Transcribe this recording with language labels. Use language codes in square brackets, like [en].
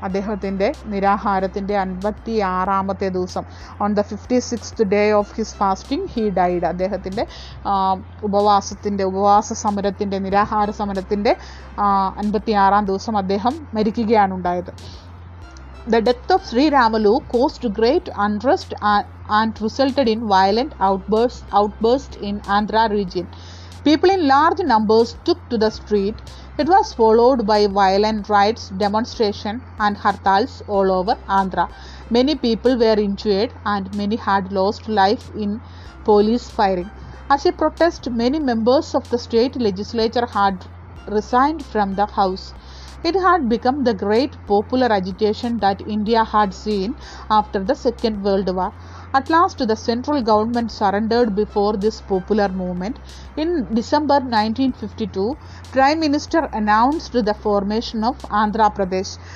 [ml] അദ്ദേഹത്തിൻ്റെ നിരാഹാരത്തിൻ്റെ 56-ാമത്തെ ദിവസം, [en] On the 56th day of his fasting he died. [ml] അദ്ദേഹത്തിൻ്റെ ഉപവാസ സമരത്തിൻ്റെ, നിരാഹാര സമരത്തിൻ്റെ 56-ാം ദിവസം അദ്ദേഹം മരിക്കുകയാണ് ഉണ്ടായത്. [en] The death of Sri Ramalu caused great unrest and resulted in violent outbursts in Andhra region. People in large numbers took to the street. It was followed by violent riots, demonstrations and hartals all over Andhra. Many people were injured and many had lost life in police firing. As a protest, many members of the state legislature had resigned from the house. It had become the great popular agitation that India had seen after the second world war. At last, the central government surrendered before this popular movement. In December 1952, Prime Minister announced the formation of Andhra Pradesh.